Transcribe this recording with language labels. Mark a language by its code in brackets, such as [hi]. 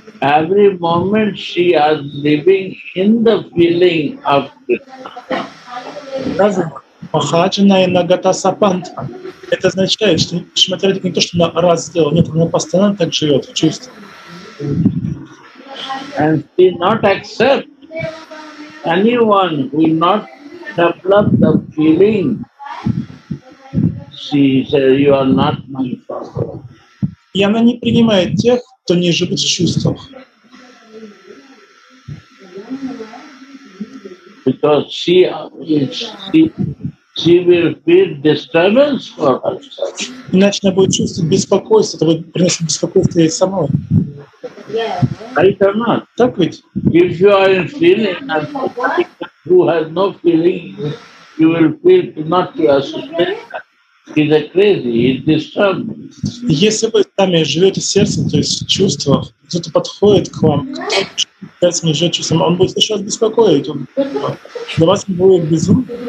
[en] Every moment she is living in the feeling of Mahajana. [ru] Это означает, что Шимати Радхика не то, что она раз сделала, нет, она постоянно так живет, в чувствах. И она не принимает тех, кто не живет в чувствах. [en] She will feel disturbance for herself. [ru] Иначе она будет чувствовать беспокойство, это будет приносить беспокойство ей самой. [en] Yeah. Right or not? [ru] Так ведь? [en] If you are in feeling, and who has no feeling, you will feel not to suspect he's a crazy, he's disturbed. [ru] Если вы сами живете сердцем, то есть в чувствах, кто-то подходит к вам, кто-то живет чувством, он будет сейчас беспокоить, он для вас будет безумно.